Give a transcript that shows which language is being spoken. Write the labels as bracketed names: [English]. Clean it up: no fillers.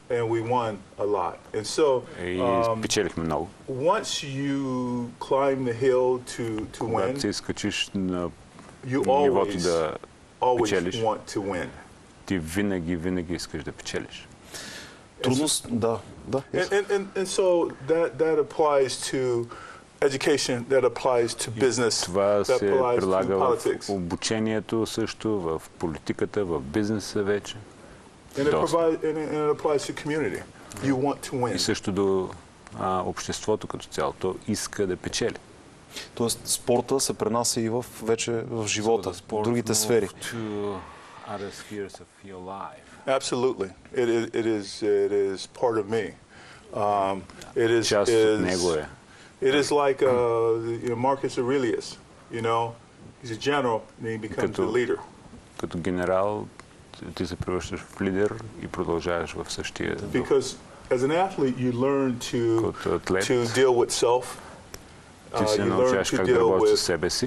[English] And we won a lot. And so, [Bulgarian] и спечелихме много. [English] Once you climb the hill to win, [Bulgarian] когато се изкачиш на нивото да печелиш, [English] want to win. [Bulgarian] Ти винаги искаш да печелиш. Трудност, да. [English] And so that applies to education, that applies to business, [Bulgarian] това се прилага в обучението също, в политиката, в бизнеса вече. [English] And it applies to community. You want to win. [Bulgarian] И също до обществото като цяло. То иска да печели. Тоест спорта се пренася и вече в живота, [English] so [Bulgarian] в другите сфери. [English] Absolutely. It is part of me. [Bulgarian] Част от него е. [English] It is like Marcus Aurelius, you know, he's a general and he becomes the leader. [Bulgarian] Като генерал ти се превръщаш в лидер и продължаваш в същия дух. [English] Because as an athlete you learn to deal with self. [Bulgarian] Ти се научаваш как да работиш със себе си.